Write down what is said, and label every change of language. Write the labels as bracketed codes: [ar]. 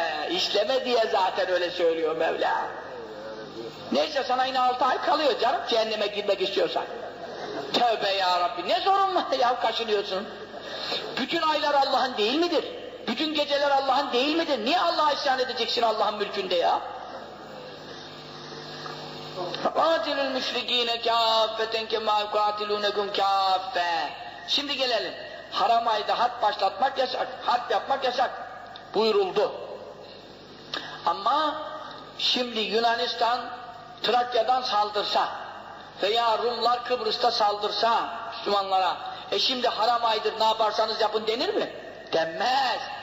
[tr] İşleme diye zaten öyle söylüyor Mevla. Neyse sana yine 6 ay kalıyor canım cehenneme girmek istiyorsan. Tövbe ya Rabbi ne zorun var ya kaşınıyorsun. Bütün aylar Allah'ın değil midir? Bütün geceler Allah'ın değil midir? Niye Allah'a isyan edeceksin Allah'ın mülkünde ya? [ar] قَاتِلُ الْمُشْرِك۪ينَ كَافَّةً كَمَا يُقَاتِلُونَكُمْ كَافَّةً [tr] Şimdi gelelim. Haram ayda harp başlatmak yasak, harp yapmak yasak buyuruldu. Ama şimdi Yunanistan Trakya'dan saldırsa veya Rumlar Kıbrıs'ta saldırsa Müslümanlara, e şimdi haram aydır ne yaparsanız yapın denir mi? Denmez.